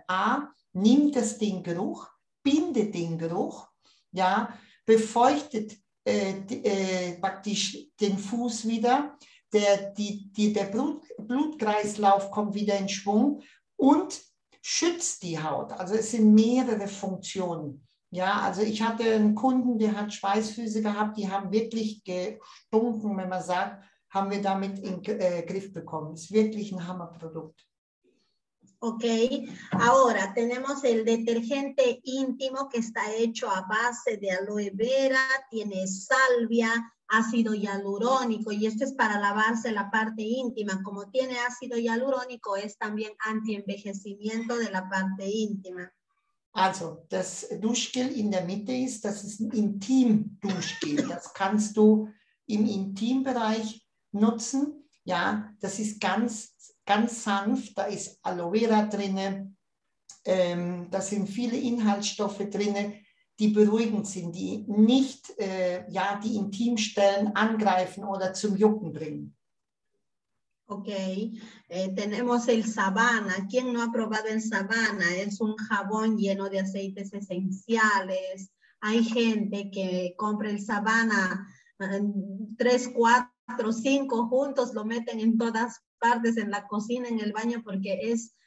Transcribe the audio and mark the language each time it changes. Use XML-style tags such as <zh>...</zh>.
<de>A, nimmt es den Geruch, bindet den Geruch, ja, befeuchtet praktisch den Fuß wieder, der Blutkreislauf kommt wieder in Schwung und schützt die Haut. Also es sind mehrere Funktionen. Ja, also ich hatte einen Kunden, der hat Schweißfüße gehabt, die haben wirklich gestunken, wenn man sagt, haben wir damit in Griff bekommen. Es ist wirklich ein Hammerprodukt.</de> <es>Okay, ahora tenemos el detergente íntimo que está hecho a base de aloe vera, tiene salvia, ácido hialurónico, y esto es para lavarse la parte íntima. Como tiene ácido hialurónico, es también anti-envejecimiento de la parte íntima.</es> <de>Also, das Duschgel in der Mitte ist, das ist ein Intim-Duschgel. Das kannst du im Intimbereich nutzen. Ja, das ist ganz, ganz sanft. Da ist Aloe Vera drin. Da sind viele Inhaltsstoffe drin, die beruhigend sind, die nicht die Intimstellen angreifen oder zum Jucken bringen.</de> <es>Okay, tenemos el Savanna. ¿Quién no ha probado el Savanna? Es un jabón lleno de aceites esenciales. Hay gente que compra el Savanna 3, 4, 5 juntos, lo meten en todas partes, en la cocina, en el baño, porque es...</es>